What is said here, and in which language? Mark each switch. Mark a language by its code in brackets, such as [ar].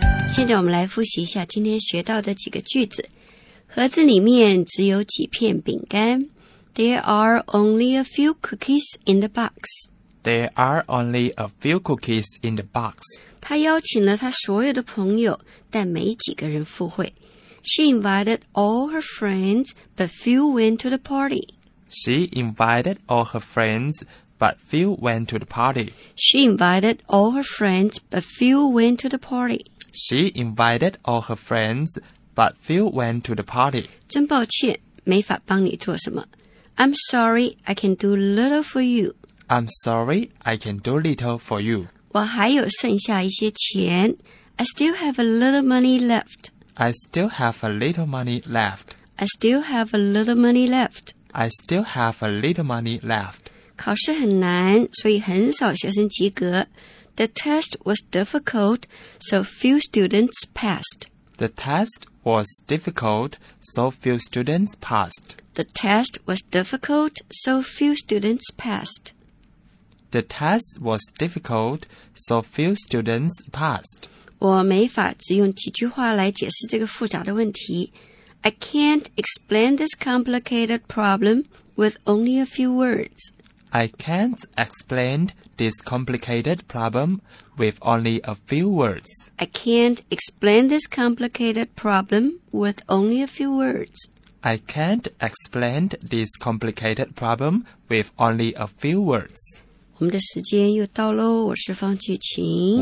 [zh] 现在我们来复习一下今天学到的几个句子。盒子里面只有几片饼干。 [en] There are only a few cookies in the box. There are only a few cookies in the box. [zh] 他邀请了他所有的朋友，但没几个人赴会。 [en] She invited all her friends, but few went to the party. She invited all her friends, but few went to the party. She invited all her friends, but few went to the party. She invited all her friends, but few went to the party. [zh] 真抱歉，没法帮你做什么。 [en] I'm sorry, I can do little for you. I'm sorry, I can do little for you. [zh] 我还有剩下一些钱。 [en] I still have a little money left. I still have a little money left. I still have a little money left. I still have a little money left. [zh] 考试很难，所以很少学生及格。 [en] The test was difficult, so few students passed. The test was difficult, so few students passed. The test was difficult, so few students passed. The test was difficult, so few students passed. [zh] 我没法只用几句话来解释这个复杂的问题。 [en] I can't explain this complicated problem with only a few words. I can't explain this complicated problem with only a few words. I can't explain this complicated problem with only a few words. I can't explain this complicated problem with only a few words. [zh] 我们的时间又到喽，我是方巨琴，